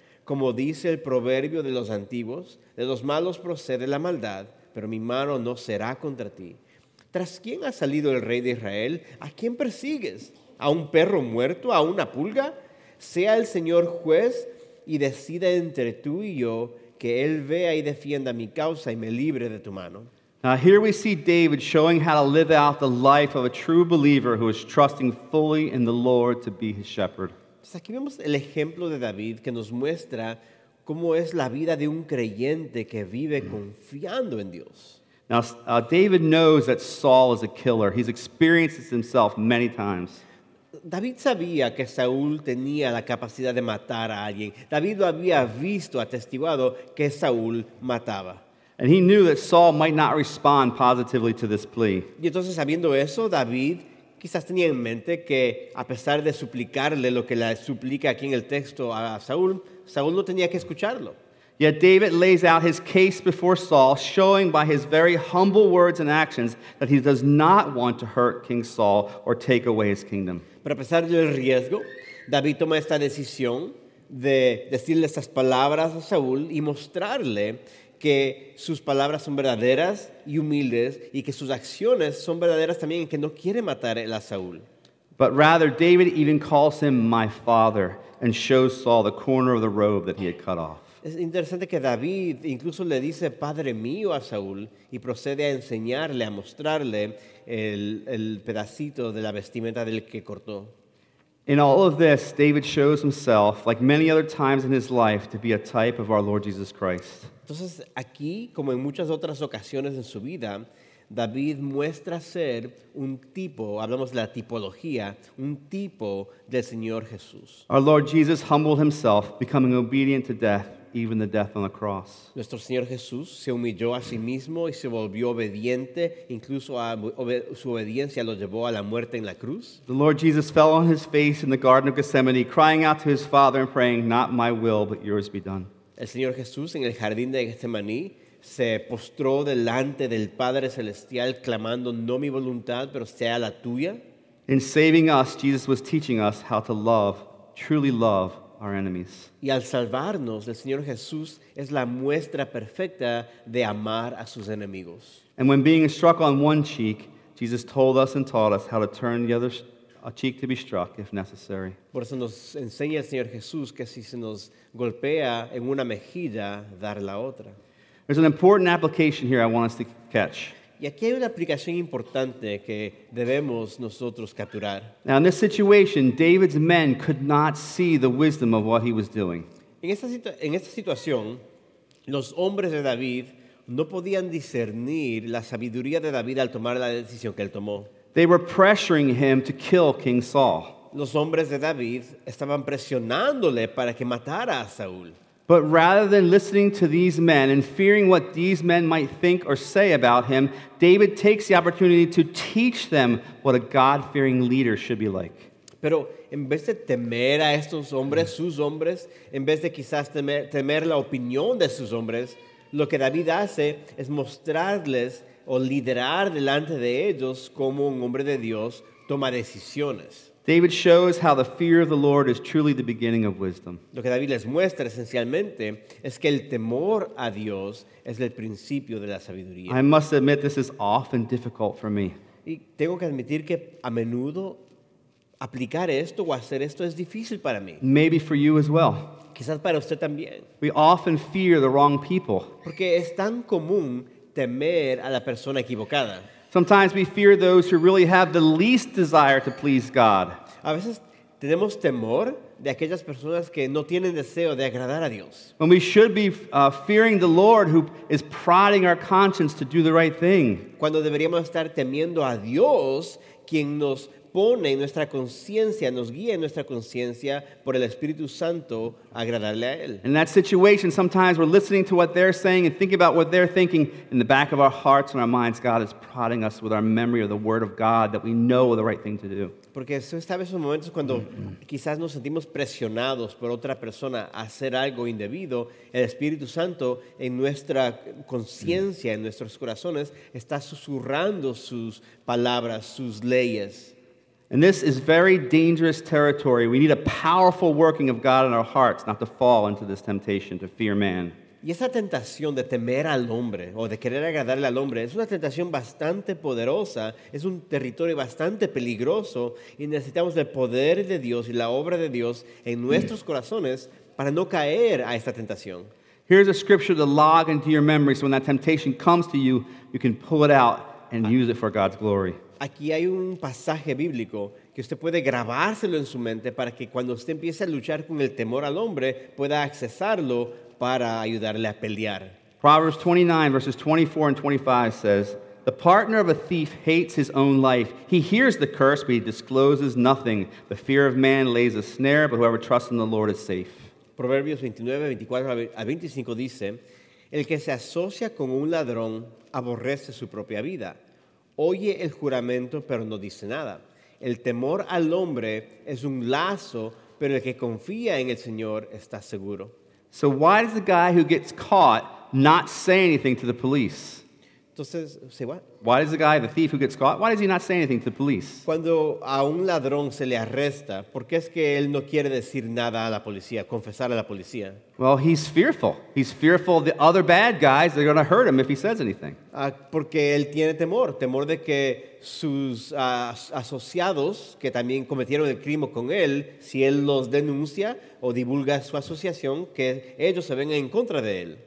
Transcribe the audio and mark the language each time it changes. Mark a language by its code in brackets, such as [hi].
[es] Como dice el proverbio de los antiguos, de los malos procede la maldad, pero mi mano no será contra ti. ¿Tras quién ha salido el rey de Israel? ¿A quién persigues? ¿A un perro muerto? ¿A una pulga? Sea el Señor juez y decida entre tú y yo, que él vea y defienda mi causa y me libre de tu mano. [en] Now here we see David showing how to live out the life of a true believer who is trusting fully in the Lord to be his shepherd. [es] Aquí vemos el ejemplo de David que nos muestra cómo es la vida de un creyente que vive confiando en Dios. [en] Now David knows that Saul is a killer. He's experienced this himself many times. [es] David sabía que Saúl tenía la capacidad de matar a alguien. David lo había visto, atestiguado que Saúl mataba. [en] And he knew that Saul might not respond positively to this plea. [es] Y entonces, sabiendo eso, David quizás tenía en mente que, a pesar de suplicarle lo que le suplica aquí en el texto a Saúl, Saúl no tenía que escucharlo. [en] Yet David lays out his case before Saul, showing by his very humble words and actions that he does not want to hurt King Saul or take away his kingdom. [es] Pero a pesar del riesgo, David toma esta decisión de decirle estas palabras a Saúl y mostrarle que sus palabras son verdaderas y humildes y que sus acciones son verdaderas también y que no quiere matar a Saúl. [en] But rather, David even calls him my father and shows Saul the corner of the robe that he had cut off. [es] Es interesante que David incluso le dice padre mío a Saúl y procede a enseñarle, a mostrarle el pedacito de la vestimenta del que cortó. [en] In all of this, David shows himself, like many other times in his life, to be a type of our Lord Jesus Christ. [es] Entonces, aquí, como en muchas otras ocasiones en su vida, David muestra ser un tipo, hablamos de la tipología, un tipo del Señor Jesús. [en] Our Lord Jesus humbled himself, becoming obedient to death, even the death on the cross. [es] Nuestro Señor Jesús se humilló a sí mismo y se volvió obediente, incluso a su obediencia lo llevó a la muerte en la cruz. [en] The Lord Jesus fell on his face in the Garden of Gethsemane, crying out to his Father and praying, "Not my will, but yours be done." [es] El Señor Jesús en el jardín de Getsemaní se postró delante del Padre Celestial, clamando, "No mi voluntad, pero sea la tuya." [en] In saving us, Jesus was teaching us how to love, truly love, our enemies. [es] Y al salvarnos, el Señor Jesús es la muestra perfecta de amar a sus enemigos. [en] And when being struck on one cheek, Jesus told us and taught us how to turn the other cheek to be struck if necessary. [es] Por eso nos enseña el Señor Jesús que si se nos golpea en una mejilla, dar la otra. [en] There's an important application here I want us to catch. [es] Y aquí hay una aplicación importante que debemos nosotros capturar. [en] Now in this situation, David's men could not see the wisdom of what he was doing. [es] En esta situación, los hombres de David no podían discernir la sabiduría de David al tomar la decisión que él tomó. [en] They were pressuring him to kill King Saul. [es] Los hombres de David estaban presionándole para que matara a Saúl. [en] But rather than listening to these men and fearing what these men might think or say about him, David takes the opportunity to teach them what a God-fearing leader should be like. [es] Pero en vez de temer a estos hombres, sus hombres, en vez de quizás temer la opinión de sus hombres, lo que David hace es mostrarles o liderar delante de ellos como un hombre de Dios toma decisiones. [en] David shows how the fear of the Lord is truly the beginning of wisdom. [es] Lo que David les muestra esencialmente es que el temor a Dios es el principio de la sabiduría. [en] I must admit this is often difficult for me. [es] Y tengo que admitir que a menudo aplicar esto o hacer esto es difícil para mí. [en] Maybe for you as well. [es] Quizás para usted también. [en] We often fear the wrong people. [es] Porque es tan común temer a la persona equivocada. [en] Sometimes we fear those who really have the least desire to please God. [es] A veces tenemos temor de aquellas personas que no tienen deseo de agradar a Dios. [en] When we should be fearing the Lord who is prodding our conscience to do the right thing. [es] Cuando deberíamos estar temiendo a Dios, quien nos pone en nuestra conciencia, nos guía en nuestra conciencia por el Espíritu Santo a agradarle a Él. [en] In that situation, sometimes we're listening to what they're saying and thinking about what they're thinking. In the back of our hearts and our minds, God is prodding us with our memory of the Word of God that we know the right thing to do. [es] Porque está en esos momentos cuando quizás nos sentimos presionados por otra persona a hacer algo indebido, el Espíritu Santo en nuestra conciencia, en nuestros corazones, está susurrando sus palabras, sus leyes. [en] And this is very dangerous territory. We need a powerful working of God in our hearts not to fall into this temptation to fear man. [es] Y esa tentación de temer al hombre o de querer agradarle al hombre es una tentación bastante poderosa, es un territorio bastante peligroso y necesitamos el poder de Dios y la obra de Dios en nuestros corazones para no caer a esta tentación. [en] Here's a scripture to log into your memory so when that temptation comes to you, you can pull it out and use it for God's glory. [es] Aquí hay un pasaje bíblico que usted puede grabárselo en su mente para que cuando usted empiece a luchar con el temor al hombre pueda accesarlo para ayudarle a pelear. [en] Proverbs 29, verses 24 and 25 says, "The partner of a thief hates his own life. He hears the curse, but he discloses nothing. The fear of man lays a snare, but whoever trusts in the Lord is safe." [es] Proverbios 29, 24 a 25 dice, "El que se asocia con un ladrón aborrece su propia vida. Oye el juramento, pero no dice nada. El temor al hombre es un lazo, pero el que confía en el Señor está seguro." [en] So why does the guy who gets caught not say anything to the police? Entonces, say what? Why does the guy, the thief who gets caught, why does he not say anything to the police? [es] Cuando a un ladrón se le arresta, ¿por qué es que él no quiere decir nada a la policía, confesar a la policía? [en] Well, he's fearful. He's fearful of the other bad guys that are going to hurt him if he says anything. [es] Porque él tiene temor, temor de que sus asociados, que también cometieron el crimen con él, si él los denuncia o divulga su asociación, que ellos se vengan en contra de él.